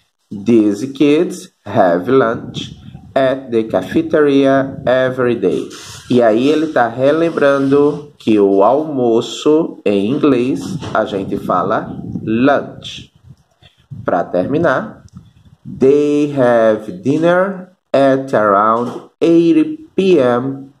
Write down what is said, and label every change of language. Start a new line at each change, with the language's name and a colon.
English: These kids have lunch at the cafeteria every day.
Portuguese: E aí ele está relembrando que o almoço, em inglês, a gente fala lunch. Para terminar,
English: they have dinner at around 8 p.m.